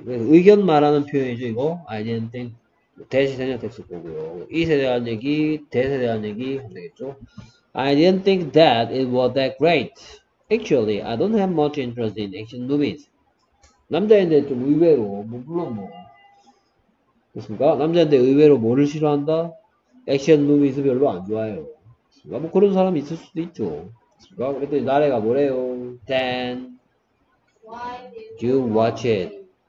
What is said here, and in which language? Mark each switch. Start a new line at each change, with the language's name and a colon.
Korean: 의견 말하는 표현이죠, 이거.
English: I didn't think.
Korean: 대시 생략했을 거고요. 이에 대한 얘기, 대에 대한 얘기 하면 되겠죠.
English: I didn't think that it was that great. Actually, I don't have much interest in action movies.
Korean: 남자인데 좀 의외로, 뭐 물론 뭐 그렇습니까? 남자인데 의외로 뭐를 싫어한다? 액션 무비에서 별로 안 좋아해요. 뭐 그런 사람 있을 수도 있죠. 그랬더니 나래가 뭐래요?
English: Then, you watch it.